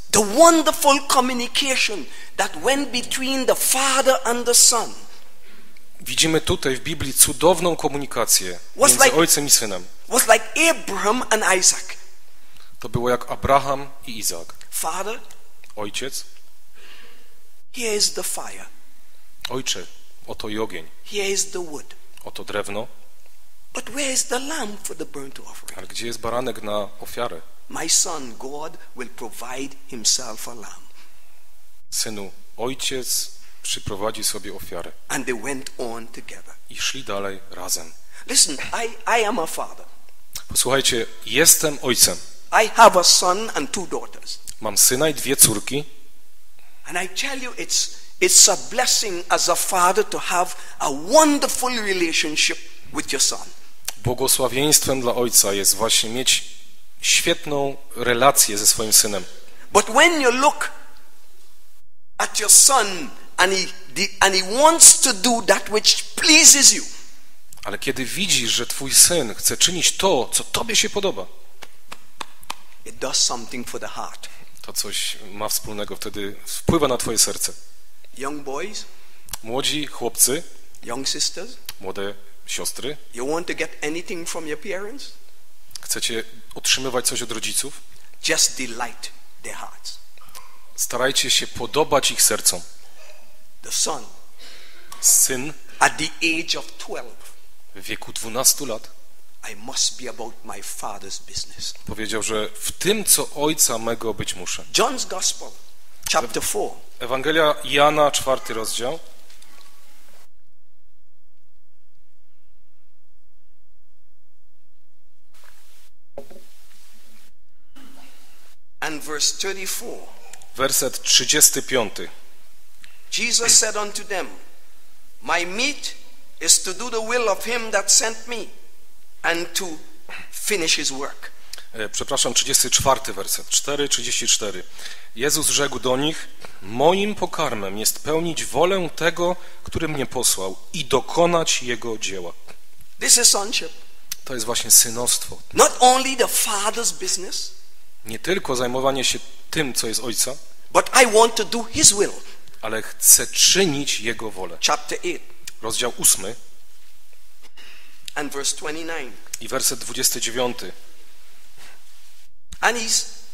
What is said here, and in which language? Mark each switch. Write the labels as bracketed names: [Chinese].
[English] The wonderful communication that went between the father and the son. [Polish] Widzimy tutaj w Biblii cudowną komunikację między [English] like, [Polish] ojcem i synem. [English] Was like Abraham and Isaac. [Polish] To było jak Abraham i Izak. [English] Father, [Polish] ojciec. [English] Here is the fire. [Polish] Ojcze, oto i ogień. [English] Here is the wood. [Polish] Oto drewno. [English] But where is the lamb for the burnt offering? [Polish] Ale gdzie jest baranek na ofiarę? [English] My son, God will provide himself a lamb. [Polish] Synu, ojciec przyprowadzi sobie ofiarę. [English] And they went on together. [Polish] I szli dalej razem. [English] Listen, I am a father. [Polish] Posłuchajcie, jestem ojcem. [English] I have a son and two daughters. [Polish] Mam syna i dwie córki. [English] And I tell you, it's a blessing as a father to have a wonderful relationship with your son. [Polish] Błogosławieństwem dla ojca jest właśnie mieć świetną relację ze swoim synem. [English] But when you look at your son and he wants to do that which pleases you. [Polish] Ale kiedy widzisz, że twój syn chce czynić to, co tobie się podoba. [English] It does something for the heart. [Polish] To coś ma wspólnego wtedy, wpływa na twoje serce. [English] Young boys, [Polish] młodzi chłopcy, [English] young sisters, [Polish] młode siostry, [English] you want to get anything from your parents? [Polish] Chcecie otrzymywać coś od rodziców? [English] Just delight their hearts. [Polish] Starajcie się podobać ich sercom. [English] The son, [Polish] syn, [English] at the age of 12, [Polish] w wieku 12 lat, [English] I must be about my father's business. [Polish] Powiedział, że w tym, co ojca mego być muszę. [English] John's Gospel, chapter 4. [Polish] Ewangelia Jana, 4 rozdział. [English] And verse 34. [Polish] Werset 35. [English] Jesus said unto them, my meat is to do the will of him that sent me and to finish his work. [Polish] Przepraszam, 34 werset. 4:34. Jezus rzekł do nich: moim pokarmem jest pełnić wolę tego, który mnie posłał i dokonać jego dzieła. [English] This is sonship. [Polish] To jest właśnie synostwo. [English] Not only the father's business. [Polish] Nie tylko zajmowanie się tym, co jest ojca, [English] but I want to do his will. [Polish] Ale chcę czynić jego wolę. [English] Chapter 8. [Polish] Rozdział 8. [English] And verse 29. [Polish] I werset 29. [English] And he's...